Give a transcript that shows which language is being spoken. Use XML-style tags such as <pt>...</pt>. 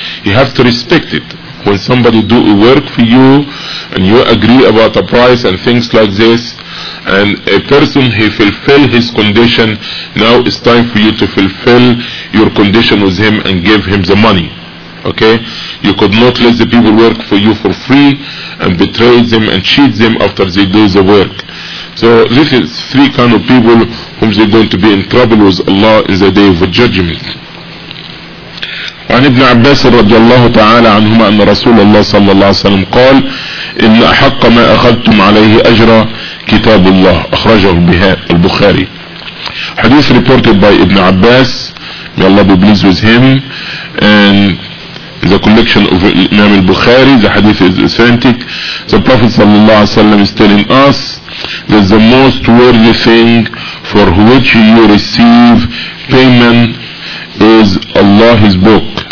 <en>You have to respect it. When somebody do a work for you and you agree about a price and things like this, and a person he fulfill his condition, now it's time for you to fulfill your condition with him and give him the money. Okay, you could not let the people work for you for free and betray them and cheat them after they do the work. So this is three kind of people whom they're going to be in trouble with Allah in the day of judgment.</en> <ar>عن ابن عباس رضي الله تعالى عنهما أن رسول الله صلى الله عليه وسلم قال إن أحق ما أخذتم عليه أجرا كتاب الله. أخرجه بها البخاري.</ar> <en>حديث reported by ابن عباس, may Allah be pleased with him, and the collection of Imam al-Bukhari. The hadith is authentic. The Prophet</en> <ar>صلى الله عليه وسلم</ar> <en>is telling us that the most worthy thing for which you receive payment is Allah's book.</en>